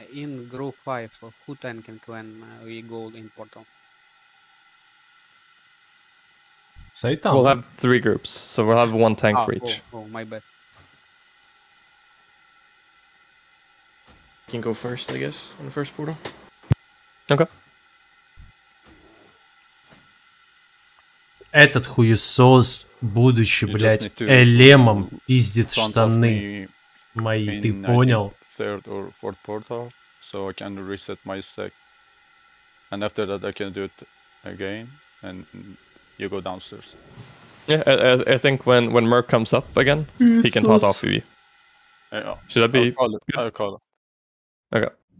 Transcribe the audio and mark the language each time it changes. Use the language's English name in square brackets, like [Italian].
[English] In group 5, who tanking when we go in portal? [Russian] Сайтан. [English] We'll have 3 groups, so we'll have 1 tank for each. Oh, my bad. Can go first, I guess, on the first portal. Okay. [Russian] Этот хуесос, будучи, блядь, элемом, пиздит штаны мои, ты понял? [English] Third or fourth portal, so I can reset my stack. And after that I can do it again, and you go downstairs. Yeah, I think when Merc comes up again, he can toss off you. Should that be... I'll call him. Okay.